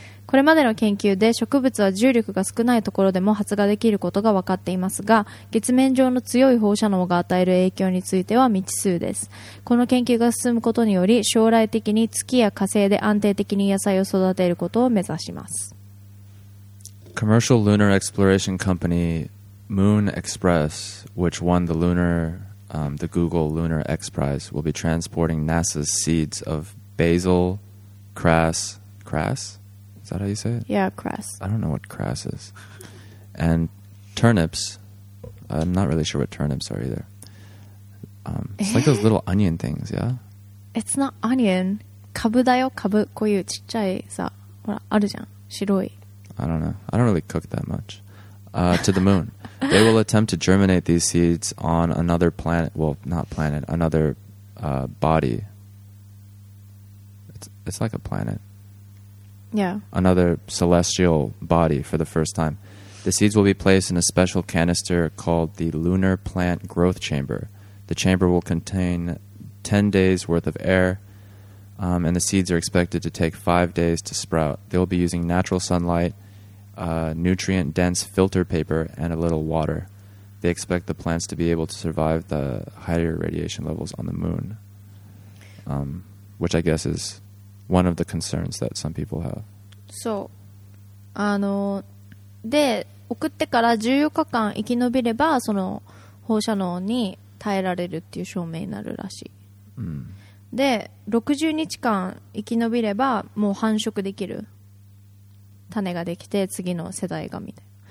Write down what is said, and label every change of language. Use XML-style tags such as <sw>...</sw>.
<ja>これまでの研究で植物は重力が少ないところでも発芽できることが分かっていますが、月面上の強い放射能が与える影響については未知数です。この研究が進むことにより将来的に月や火星で安定的に野菜を育てることを目指します。</ja> <en>Commercial Lunar Exploration Company Moon Express, which won the Lunar, the Google Lunar X Prize, will be transporting NASA's seeds of basil, crass? Is that how you say it? Yeah, crass. I don't know what crass is. And turnips. I'm not really sure what turnips are either. It's like those little onion things, yeah? It's not onion.</en> <ja>Kabu da yo, kabu. こういうちっちゃいさ、ほら、あるじゃん。白い。</ja> <en>I don't know. I don't really cook that much. To the moon. They will attempt to germinate these seeds on another planet. Well, not planet. Another body. It's like a planet. Yeah. Another celestial body for the first time. The seeds will be placed in a special canister called the Lunar Plant Growth Chamber. The chamber will contain 10 days worth of air, and the seeds are expected to take 5 days to sprout. They'll be using natural sunlight, nutrient-dense filter paper, and a little water. They expect the plants to be able to survive the higher radiation levels on the moon, which I guess is... One of the concerns that some people have.</en> <ja>そう、あの、で、送ってから14日間生き延びればその放射能に耐えられるっていう証明になるらしい。で60日間生き延びればもう繁殖できる種ができて次の世代がみたいな。</ja>